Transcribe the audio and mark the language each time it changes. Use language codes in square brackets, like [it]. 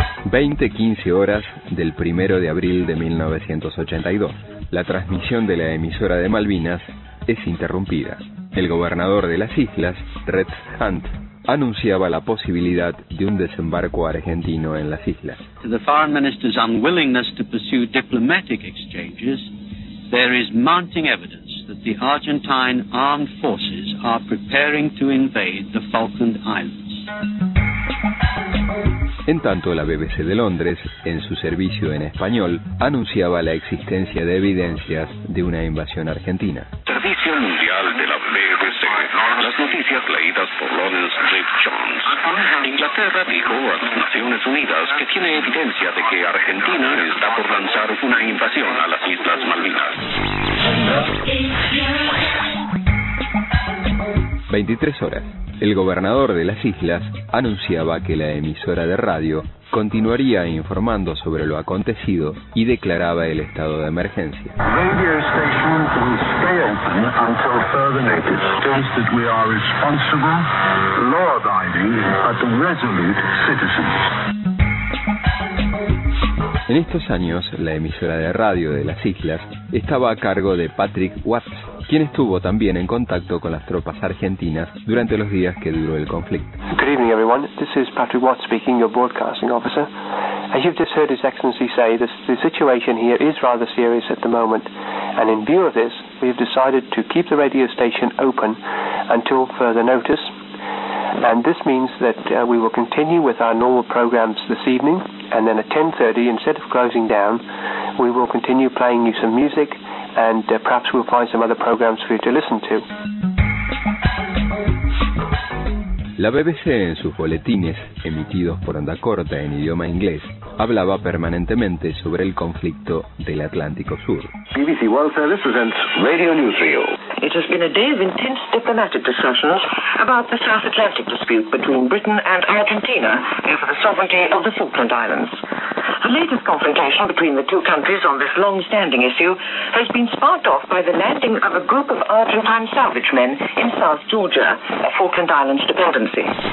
[es] 20:15 horas del 1 de abril de 1982. La transmisión de la emisora de Malvinas es interrumpida. El gobernador de las islas, Red Hunt, anunciaba la posibilidad de un desembarco argentino en las islas. [en] The foreign minister's unwillingness to pursue diplomatic exchanges, there is mounting evidence that the Argentine armed forces are preparing to invade the Falkland Islands. [es] En tanto, la BBC de Londres, en su servicio en español, anunciaba la existencia de evidencias de una invasión argentina. Servicio mundial de la BBC. Las noticias leídas por Lawrence Rip Jones. Inglaterra dijo a las Naciones Unidas que tiene evidencia de que Argentina está por lanzar una invasión a las Islas Malvinas. 23 horas. El gobernador de las islas anunciaba que la emisora de radio continuaría informando sobre lo acontecido y declaraba el estado de emergencia. [en] Radio station will stay open until further notice. States that we are responsible, law-abiding, but resolute citizens. [es] En estos años, la emisora de radio de las islas estaba a cargo de Patrick Watts, quien estuvo también en contacto con las tropas argentinas durante los días que duró el conflicto. [en] Good evening, everyone. This is Patrick Watts speaking, your broadcasting officer. As you've just heard His Excellency say, the situation here is rather serious at the moment, and in view of this, we have decided to keep the radio station open until further notice. And this means that we will continue with our normal programs this evening, and then at 10:30, instead of closing down, we will continue playing you some music, and perhaps we'll find some other programs for you to listen to. [es] La BBC, en sus boletines emitidos por onda corta en idioma inglés, hablaba permanentemente sobre el conflicto del Atlántico Sur. [en] BBC World Service presents Radio Newsreel. It has been a day of intense diplomatic discussions about the South Atlantic dispute between Britain and Argentina over the sovereignty of the Falkland Islands. The latest confrontation between the two countries on this long-standing issue has been sparked off by the landing of a group of Argentine salvage men in South Georgia, a Falkland Islands dependency.